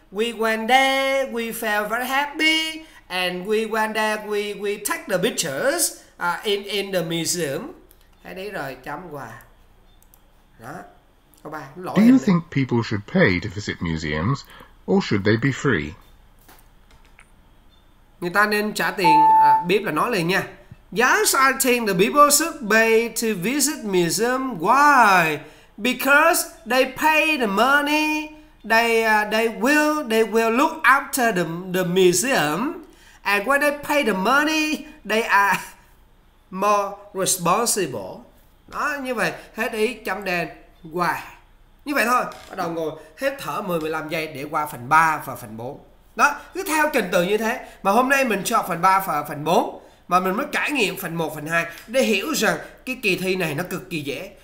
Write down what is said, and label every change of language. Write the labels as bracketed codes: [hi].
[en] We went there. We felt very happy. And we went there, we take the pictures in the museum. [vi] Thế đấy rồi, chấm quà. Đó. Câu 3, lỗi. [en] Do you think people should pay to visit museums or should they be free? [vi] Người ta nên trả tiền, bếp là nói liền nha. [en] Yes, I think the people should pay to visit museum. Why? Because they pay the money, they will look after the museum. And when they pay the money, they are more responsible. [vi] Đó, như vậy, hết ý, chấm đen, qua. Như vậy thôi, bắt đầu ngồi, hết thở 10-15 giây để qua phần 3 và phần 4. Đó, cứ theo trình tự như thế. Mà hôm nay mình cho phần 3 và phần 4. Mà mình mới trải nghiệm phần 1, phần 2. Để hiểu rằng cái kỳ thi này nó cực kỳ dễ.